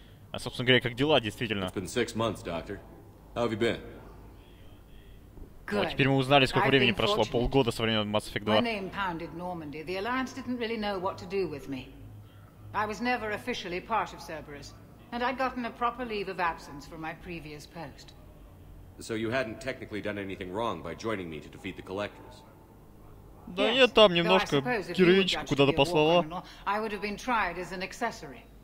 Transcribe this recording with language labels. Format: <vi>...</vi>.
<ru>А, собственно говоря, как дела, действительно.</ru> <en>It's been 6 months, doctor. How have you been? Good.</en> <ru>О, теперь мы узнали, сколько времени прошло. Полгода со времен Mass Effect 2.</ru> <en>My name pounded Normandy. The Alliance didn't really know what to do with me. I was never officially part of Cerberus. And I'd gotten a proper leave of absence from my previous post. So you hadn't technically done anything wrong by joining me to defeat the collectors.</en> <ru>Да я там немножко героичку куда-то послала.</ru> <en>I would have been tried as an accessory.</en>